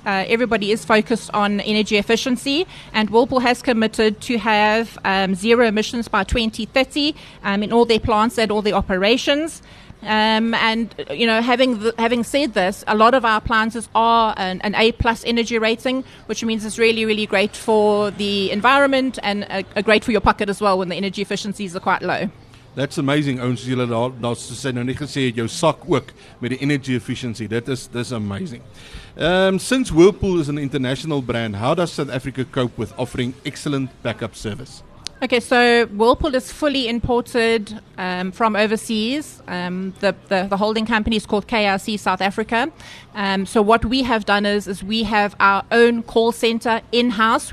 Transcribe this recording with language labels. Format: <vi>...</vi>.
<en>Everybody is focused on energy efficiency, and Whirlpool has committed to have zero emissions by 2030 in all their plants and all their operations. And you know, having said this, a lot of our appliances are an A plus energy rating, which means it's really, really great for the environment and great for your pocket as well when the energy efficiencies are quite low. That's amazing.</en> <af>Ons het julle daar soos sy nou net gesê het, jou sak ook met die energy efficiency.</af> <en>That's amazing. Since Whirlpool is an international brand, how does South Africa cope with offering excellent backup service? Okay, so Whirlpool is fully imported from overseas. The holding company is called KRC South Africa. So what we have done is we have our own call center in-house.</en>